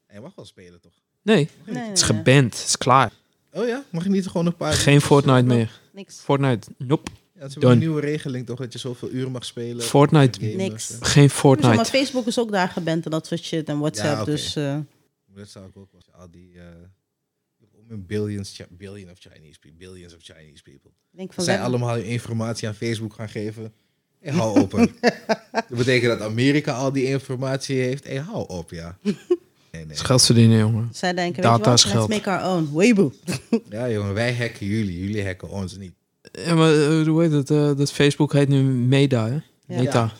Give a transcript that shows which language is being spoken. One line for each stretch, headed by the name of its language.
Dutch: Je mag wel spelen, toch? Nee. Het is geband. Het is klaar. Oh ja? Mag je niet gewoon een paar... Geen Fortnite meer. Niks. Fortnite, nope. Ja, het is een nieuwe regeling, toch? Dat je zoveel uren mag spelen. Fortnite, niks. Hè? Geen Fortnite. Maar Facebook is ook daar geband en dat soort shit en WhatsApp, ja, okay. Dus... Dat zou ik ook wel al die...
English: billions of Chinese people.
Dutch: Denk van zij allemaal informatie aan Facebook gaan geven. Hey, hou op. Dat betekent dat Amerika al die informatie heeft. Hey, hou op, ja. Nee. Geld verdienen, jongen. Zij denken, data is geld.
English: Let's make our own.
Dutch: Weibo. Ja, jongen, wij hacken jullie. Jullie hacken ons niet. Ja, maar hoe heet het? Dat Facebook heet nu Meta, hè? Ja. Meta.